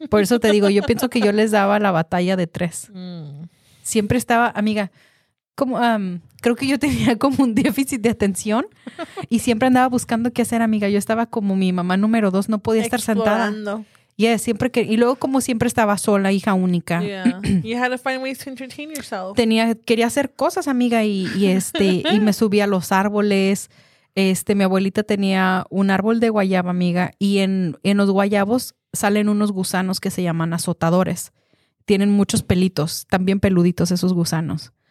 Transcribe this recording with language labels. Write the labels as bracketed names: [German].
[Spanish] Por eso te digo, yo pienso que yo les daba la batalla de tres. Siempre estaba, amiga, como, creo que yo tenía como un déficit de atención y siempre andaba buscando qué hacer, amiga. Yo estaba como mi mamá número dos, no podía estar sentada. Yeah, siempre que, y luego como siempre estaba sola, hija única. [English] Yeah. You had to find ways to entertain yourself. [Spanish] Quería hacer cosas, amiga, y me subía a los árboles. Mi abuelita tenía un árbol de guayaba, amiga, y en los guayabos salen unos gusanos que se llaman azotadores. Tienen muchos pelitos, también peluditos esos gusanos.